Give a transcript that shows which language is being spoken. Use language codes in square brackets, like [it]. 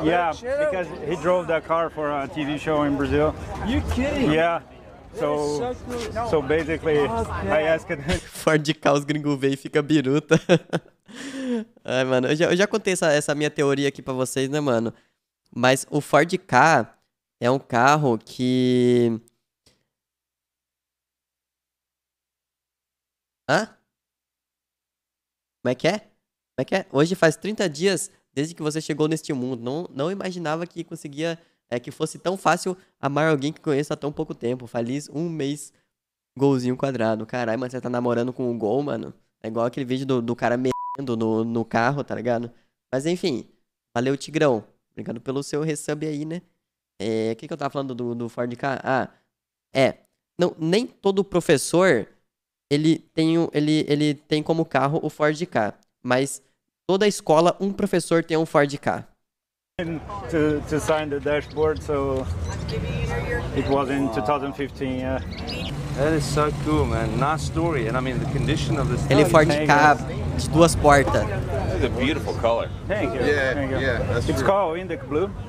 [en] Yeah, because he drove that car for a TV show in Brazil. You kidding? Yeah. So cool. So basically, I asked him. [pt] Ford de caos gringo veio e fica biruta. Ai, mano, eu já contei essa minha teoria aqui pra vocês, né, mano? Mas o Ford Ka é um carro que... Hã? Como é que é? Como é que é? Hoje faz 30 dias desde que você chegou neste mundo. Não imaginava que conseguia, que fosse tão fácil amar alguém que conheço há tão pouco tempo. Feliz um mês, golzinho quadrado. Caralho, mas você tá namorando com um gol, mano. É igual aquele vídeo do cara mexendo no carro, tá ligado? Mas enfim, valeu, Tigrão. Obrigado pelo seu resub aí, né? O que eu tava falando do Ford Ka? Ah, não, nem todo professor... Ele tem como carro o Ford Ka, mas toda a escola um professor tem um Ford Ka. [en] To sign the dashboard, so it was in 2015. Yeah. That is so cool, man. Nice story, and I mean the condition of this. [pt] Ele Ford Ka de duas portas. [en] It's a beautiful color. Thank you. Yeah, thank you. Yeah, that's true. It's called Indic Blue.